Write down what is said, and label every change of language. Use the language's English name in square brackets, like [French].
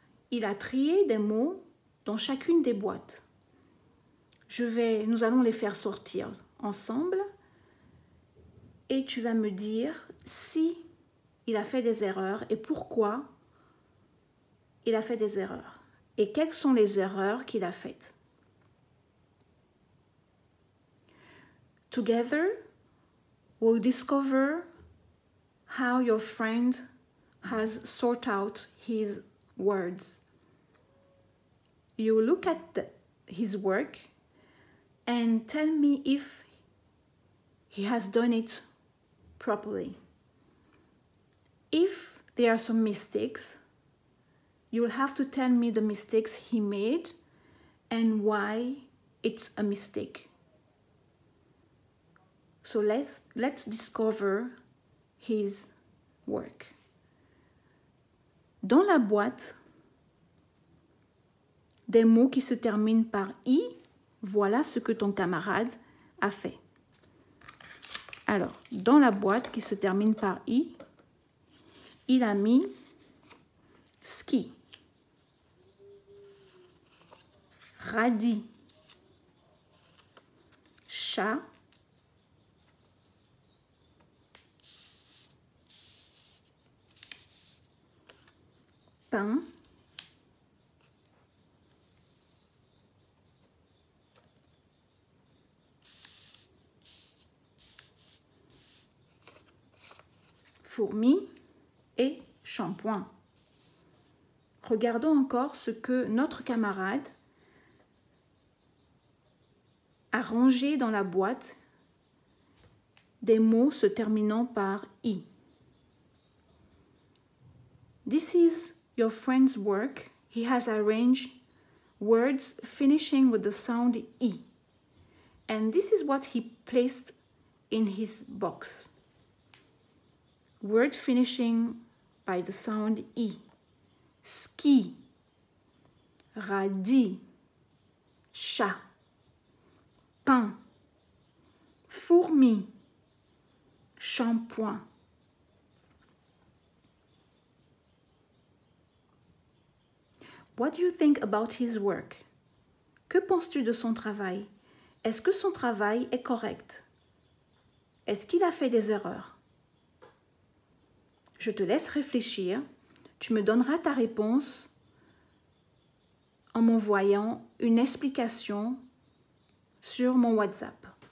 [French] Il a trié des mots dans chacune des boîtes. Nous allons les faire sortir ensemble. Et tu vas me dire si il a fait des erreurs et pourquoi il a fait des erreurs. Et quelles sont les erreurs qu'il a faites. [English] Together, we'll discover how your friend has sorted out his words. You look at his work and tell me if he has done it properly. If there are some mistakes, you'll have to tell me the mistakes he made and why it's a mistake. So let's discover his work. [French] Dans la boîte, des mots qui se terminent par I, voilà ce que ton camarade a fait. Alors, dans la boîte qui se termine par I, il a mis ski, radis, chat, pain, fourmi et shampoing. Regardons encore ce que notre camarade a rangé dans la boîte des mots se terminant par I. [English] This is your friend's work. He has arranged words finishing with the sound I. And this is what he placed in his box. Word finishing by the sound I. [French] Ski, radis, chat, pain, fourmi, shampoing. [English] What do you think about his work? [French] Que penses-tu de son travail? Est-ce que son travail est correct? Est-ce qu'il a fait des erreurs? Je te laisse réfléchir. Tu me donneras ta réponse en m'envoyant une explication sur mon WhatsApp.